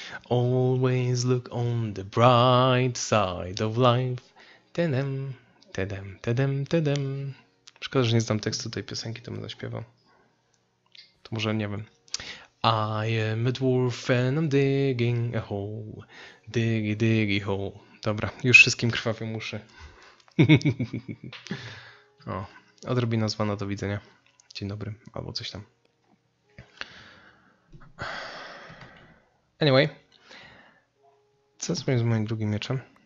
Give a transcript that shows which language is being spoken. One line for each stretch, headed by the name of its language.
English: Always look on the bright side of life. Tedem, tedem, tedem, tedem.
Polish: Szkoda, że nie znam tekstu tej piosenki, to bym zaśpiewał. To może, nie wiem.
English: I am a dwarf and I'm digging a hole. Diggy, diggy hole.
Polish: Dobra, już wszystkim krwawią uszy. O, odrobina zwana, do widzenia. Dzień dobry, albo coś tam. Anyway. Co zrobię z moim drugim mieczem?